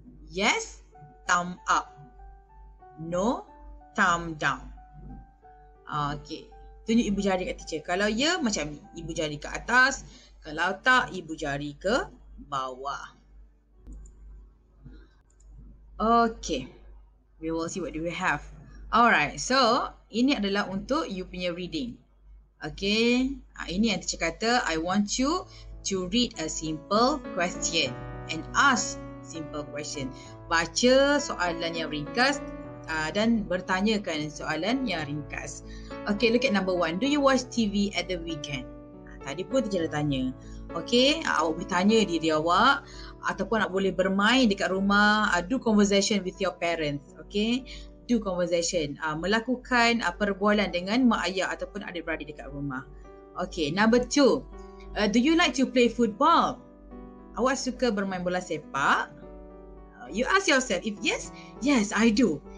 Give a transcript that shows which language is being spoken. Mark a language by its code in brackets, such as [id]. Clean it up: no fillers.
[en] Yes, thumb up. No, thumb down. [ms] Okay, tunjuk ibu jari kat teacher. Kalau ya, macam ni. Ibu jari ke atas. Kalau tak, ibu jari ke bawah. [en] Okay, we will see what do we have. [ms] Alright, so ini adalah untuk [en] you punya reading. Okay, [ms] ini yang teacher kata, [en] I want you to read a simple question and ask simple question. [ms] Baca soalan yang ringkas dan bertanyakan soalan yang ringkas. [en] Okay, look at number 1. Do you watch TV at the weekend? [ms] Tadi pun teacher dah tanya. Okay, awak boleh tanya diri awak ataupun awak boleh bermain dekat rumah. [en] Do conversation with your parents. Okay, do conversation. [ms] Melakukan perbualan dengan mak ayah ataupun adik-beradik dekat rumah. [en] Okay, number 2. Do you like to play football? [ms] Awak suka bermain bola sepak? [en] You ask yourself, if yes, yes, I do.